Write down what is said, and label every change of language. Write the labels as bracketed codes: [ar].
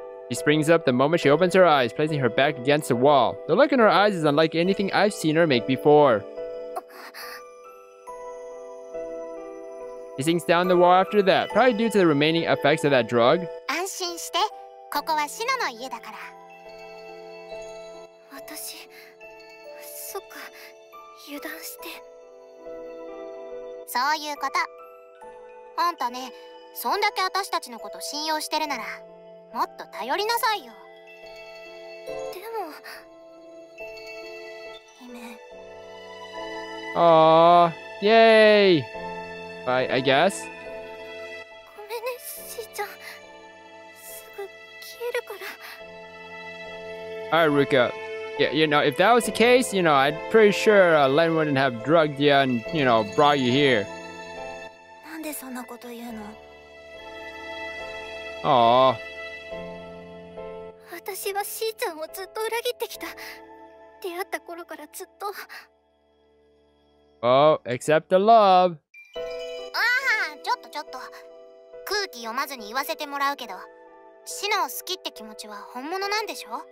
[en] She springs up the moment she opens her eyes, placing her back against the wall. The look in her eyes is unlike anything I've seen her make before. She sinks down the wall after that, probably due to the remaining effects of that drug. [ja] 安心して、ここはシノの家だから。私、そっか、油断して。そういうこと。あんたね、そんだけ私たちのこと信用してるなら、もっと頼りなさいよ。でも、姫。ああ、イエーイ。はい、 [en] I guess。 [ja] ごめんね、しーちゃん。すぐ消えるから。 [en] Alright, Ruka. Yeah, you know, if that was the case, you know, I'm pretty sure Len wouldn't have drugged you and, you know, brought you here. [ja] なんでそんなこと言うの？ [en] Aww. [ja] 私はしーちゃんをずっと裏切ってきた。出会った頃からずっと。 [en] Oh, except the love. [ja] ああ、ちょっとちょっと。空気読まずに言わせてもらうけど、しのを好きって気持ちは本物なんでしょ？